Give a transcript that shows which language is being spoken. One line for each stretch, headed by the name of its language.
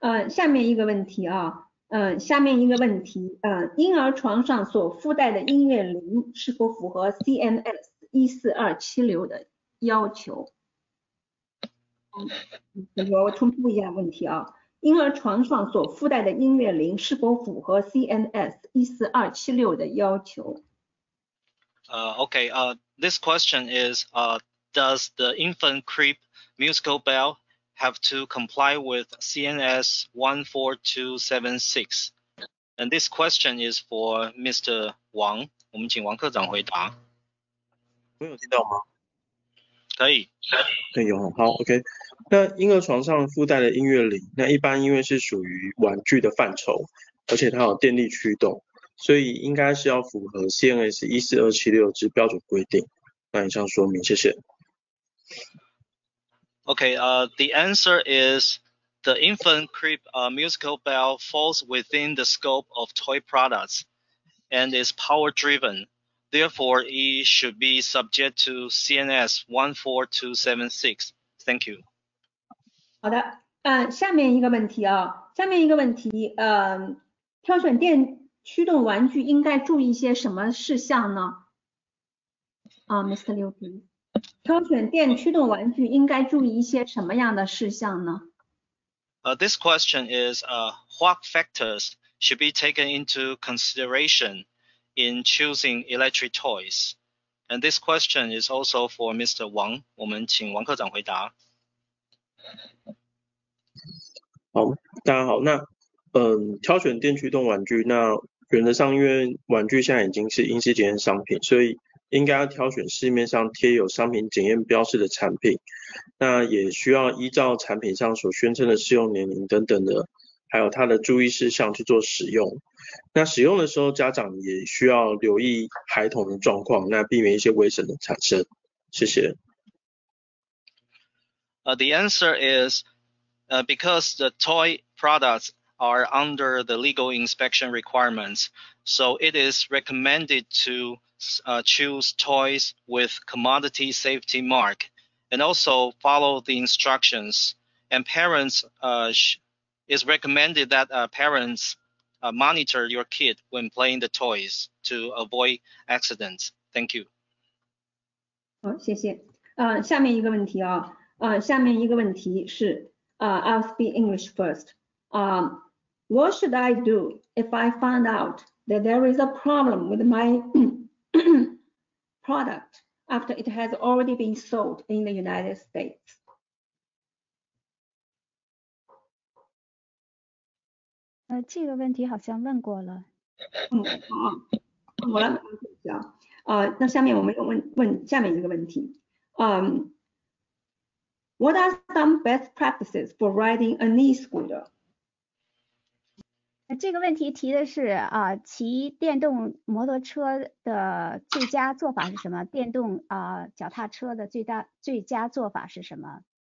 Chinese: 下面一个问题啊，下面一个问题，婴儿床上所附带的音乐铃是否符合 CMS 14276的要求？我重复一下问题啊，婴儿床上所附带的音乐铃是否符合 CMS 14276的要求？
English: This question is, does the infant crib musical bell have to comply with CMS 14276? And this question is for Mr. Wang.
Chinese: 我们请王科长回答。没有听到吗？可以，可以哦。好 ，OK。那婴儿床上附带的音乐铃，那一般因为是属于玩具的范畴，而且它有电力驱动，所以应该是要符合 CMS 14276之标准规定。那以上说明，谢谢。
English: OK， the answer is the infant crib musical bell falls within the scope of toy products and is power driven. Therefore, it should be subject to CNS 14276. Thank you.
Chinese: 好的，下面一个问题啊，下面一个问题，挑选电驱动玩具应该注意些什么事项呢？ Mr. Liu Bin， 挑选电驱动玩具应该注意一些什么样的事项呢？
English: This question is, what factors should be taken into consideration? In choosing electric toys, and this question is also for Mr.
Chinese: Wang. 我们请王科长回答。好，大家好。那挑选电驱动玩具，那原则上因为玩具现在已经是应试检验商品，所以应该要挑选市面上贴有商品检验标示的产品。那也需要依照产品上所宣称的适用年龄等等的，还有它的注意事项去做使用。那使用的时候，家长也需要留意孩童的状况，那避免一些危险的产生。谢谢。
English: The answer is, because the toy products are under the legal inspection requirements, so it is recommended to choose toys with commodity safety mark, and also follow the instructions. And parents, is recommended that parents. Monitor your kid when playing the toys to avoid accidents. Thank you.
Chinese: 好，谢谢。下面一个问题啊，下面一个问题是，
English: I'll speak English first. What should I do if I find out that there is a problem with my product after it has already been sold in the United States?
Chinese: 这个问题好像问过了。嗯，好，我来回答一下。那下面我们问下面一个问题。
English: What are some best practices for riding an e-scooter?
Chinese: 这个问题提的是啊，骑电动摩托车的最佳做法是什么？电动啊，脚踏车的最佳做法是什么？